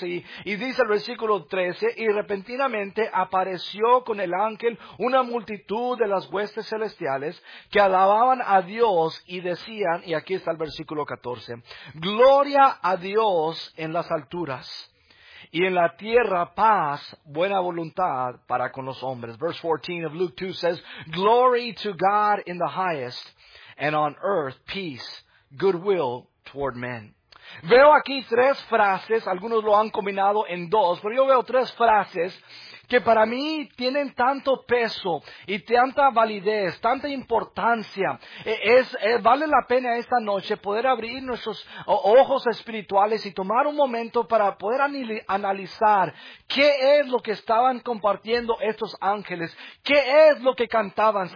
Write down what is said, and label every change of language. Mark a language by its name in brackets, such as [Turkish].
[Spanish] Y dice el versículo 13, y repentinamente apareció con el ángel una multitud de las huestes celestiales que alababan a Dios y decían, y aquí está el versículo 14, gloria a Dios en las alturas y en la tierra paz, buena voluntad para con los hombres. [English] Verse 14 of Luke 2 says, glory to God in the highest, and on earth peace, goodwill toward men. [Spanish] Veo aquí tres frases, algunos lo han combinado en dos, pero yo veo tres frases que para mí tienen tanto peso y tanta validez, tanta importancia. Vale la pena esta noche poder abrir nuestros ojos espirituales y tomar un momento para poder analizar qué es lo que estaban compartiendo estos ángeles, qué es lo que cantaban.